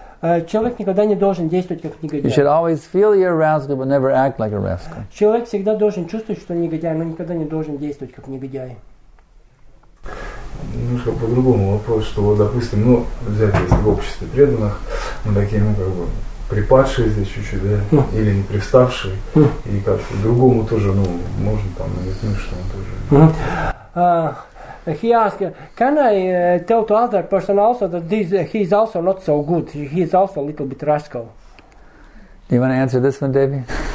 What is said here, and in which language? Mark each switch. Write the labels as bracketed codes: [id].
[ru] Человек никогда не должен действовать как негодяй. [en] You should always feel you're a rascal, but never act like a rascal. [ru] Человек всегда должен чувствовать, что он негодяй, но никогда не должен действовать как негодяй. Немножко по-другому вопрос, что вот, допустим, ну, взять если в обществе преданных, мы такие, ну, как бы, припадшие здесь чуть-чуть, да, или не привставшие, и как-то другому тоже, ну, можно там намекнуть, что он тоже... [en] He asked, can I tell to other person also that this, he is also not so good, he is also a little bit rascal? Do you want to answer this one, Debbie?